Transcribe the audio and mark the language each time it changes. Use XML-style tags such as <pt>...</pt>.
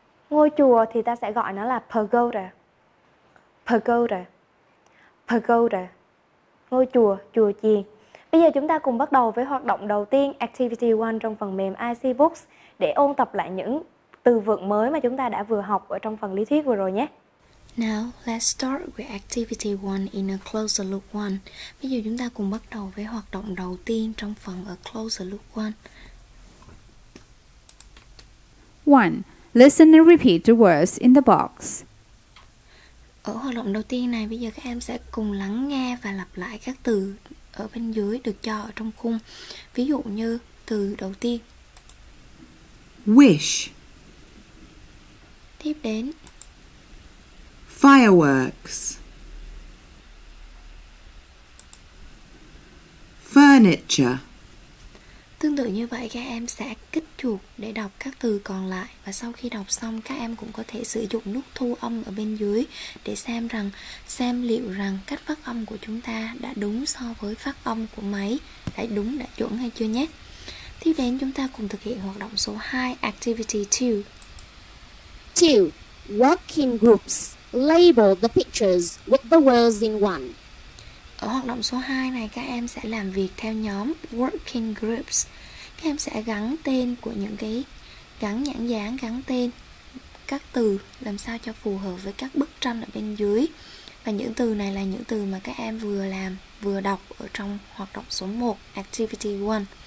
<vi>Ngôi chùa thì ta sẽ gọi nó là pagoda. Pagoda. Pagoda. Ngôi chùa, chùa chiền. Bây giờ chúng ta cùng bắt đầu với hoạt động đầu tiên, Activity 1 trong phần mềm IC Books để ôn tập lại những từ vựng mới mà chúng ta đã vừa học ở trong phần lý thuyết vừa rồi nhé.</vi> <en>Now, let's start with Activity 1 in A Closer Look 1.</en> <vi>Bây giờ chúng ta cùng bắt đầu với hoạt động đầu tiên trong phần A Closer Look 1.</vi> <en>1. Listen and repeat the words in the box.</en> <vi>Ở hoạt động đầu tiên này, bây giờ các em sẽ cùng lắng nghe và lặp lại các từ ở bên dưới được cho ở trong khung. Ví dụ như từ đầu tiên.</vi> <en>Wish.</en> <vi>Tiếp đến.</vi> <en>Fireworks. Furniture.</en> <vi>Tương tự như vậy, các em sẽ kích chuột để đọc các từ còn lại. Và sau khi đọc xong, các em cũng có thể sử dụng nút thu âm ở bên dưới để xem liệu rằng cách phát âm của chúng ta đã đúng so với phát âm của máy, đã đúng, đã chuẩn hay chưa nhé. Tiếp đến, chúng ta cùng thực hiện hoạt động số 2, Activity 2.</vi> <en>2. Work in groups. Label the pictures with the words in one.</en> <vi>Ở hoạt động số 2 này, các em sẽ làm việc theo nhóm Working Groups. Các em sẽ gắn tên của những cái, gắn nhãn dán, gắn tên các từ làm sao cho phù hợp với các bức tranh ở bên dưới. Và những từ này là những từ mà các em vừa làm, vừa đọc ở trong hoạt động số 1, Activity 1.</vi>